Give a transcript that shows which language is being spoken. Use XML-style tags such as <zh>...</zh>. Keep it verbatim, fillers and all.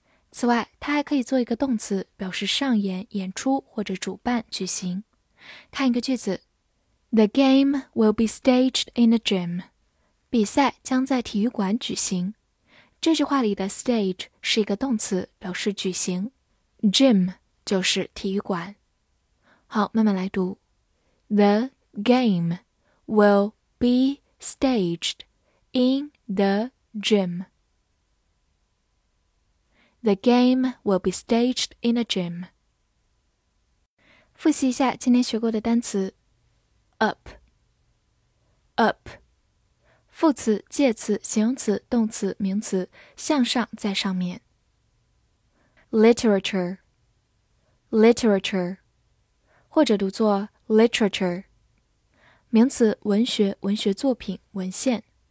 <zh>此外它还可以做一个动词，表示上演、演出或者主办、举行。看一个句子。</zh> <en>The game will be staged in a gym.</en> <zh>比赛将在体育馆举行。这句话里的 stage 是一个动词，表示举行， gym 就是体育馆。好，慢慢来读。</zh> <en>The game will be staged in the gym. The game will be staged in a gym.</en> <zh>复习一下今天学过的单词。Up Up， 副词、介词、形容词、动词、名词，向上在上面。 Literature Literature 或者读作 literature， 名词文学、文学作品、文献。</zh>